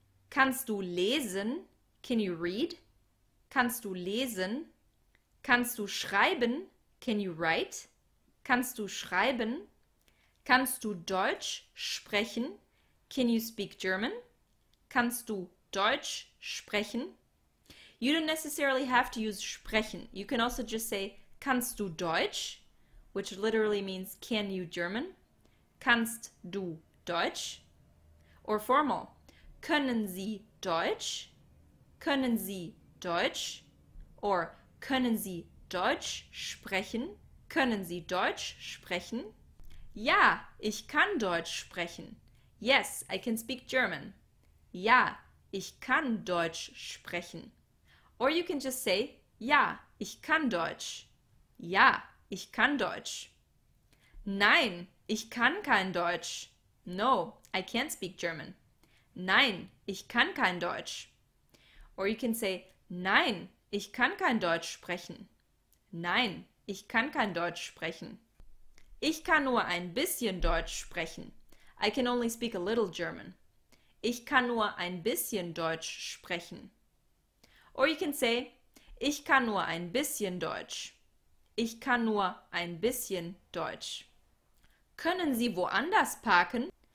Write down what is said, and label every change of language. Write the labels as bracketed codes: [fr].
[de] Kannst du lesen? [en] Can you read? [de] Kannst du lesen? Kannst du schreiben? [en] Can you write? [de] Kannst du schreiben? Kannst du Deutsch sprechen? [en] Can you speak German? [de] Kannst du Deutsch sprechen? [en] You don't necessarily have to use sprechen. You can also just say, [de] kannst du Deutsch? [en] Which literally means, can you German? [de] Kannst du Deutsch? [en] Or formal, [de] können Sie Deutsch? Können Sie Deutsch? Or können Sie Deutsch sprechen? Können Sie Deutsch sprechen? Ja, ich kann Deutsch sprechen. [en] Yes, I can speak German. [de] Ja, ich kann Deutsch sprechen. [en] Or you can just say, [de] ja, ich kann Deutsch. Ja, ich kann Deutsch. Nein, ich kann kein Deutsch. [en] No, I can't speak German. [de] Nein, ich kann kein Deutsch. [en] Or you can say, [de] nein, ich kann kein Deutsch sprechen. Nein, ich kann kein Deutsch sprechen. Ich kann nur ein bisschen Deutsch sprechen. [en] I can only speak a little German. [de] Ich kann nur ein bisschen Deutsch sprechen. [en] Or you can say, [de] ich kann nur ein bisschen Deutsch. Ich kann nur ein bisschen Deutsch. Können Sie woanders parken?